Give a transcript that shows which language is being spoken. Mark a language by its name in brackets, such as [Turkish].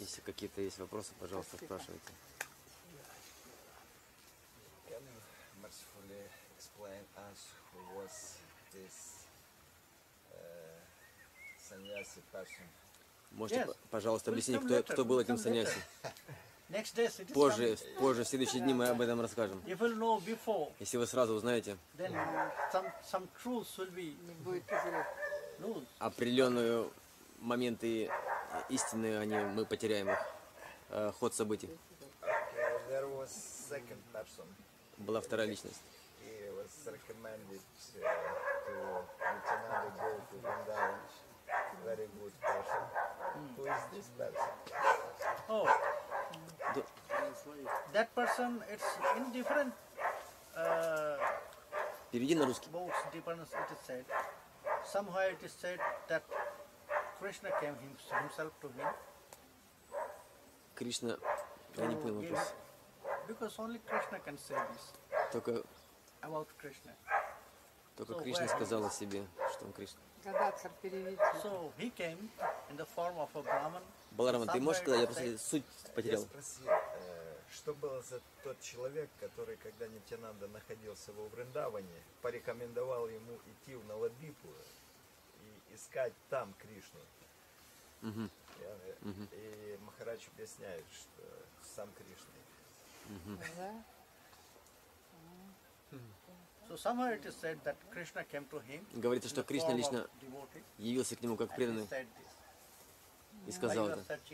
[Russian] Если какие-то есть вопросы, пожалуйста, спрашивайте. [English] Can you mercifully explain us who was this sannyasi person? [Russian] Можете, пожалуйста, объяснить, кто был этим sannyasi? [English] Next day, it is [Russian] позже, позже, в следующие дни мы об этом расскажем. [English] If we'll know before, [Russian] если вы сразу узнаете, [English] then some truths will be [Russian] определенные моменты истины, они, мы потеряем их. Ход событий. [English] There was second person. [Russian] Была вторая личность. [English] He was recommended to Nitinanda go to Vrindavan. Very good person. Who is this person? Oh. That person, it's in different. [Russian] Переведи на русский. [English] Both different, it is said. Somehow it is said that Krishna came himself to him. [Russian] Krishna, я не понял вопрос. [English] Because only Krishna can say this. [Russian] Только. [English] About Krishna. [Russian] Только Кришна сказал о себе, что он Кришна. [English] So he came in the form of a Brahman. [Russian] Balarama, ты можешь сказать, я просто суть потерял. Что было за тот человек, который, когда Нитянанда находился во Вриндаване, порекомендовал ему идти в Навадвипу и искать там Кришну? И Махарадж объясняет, что сам Кришна. [English] So somewhere it is said that Krishna came to him. [Russian] Говорится, что Кришна лично явился к нему как преданный. И сказал это.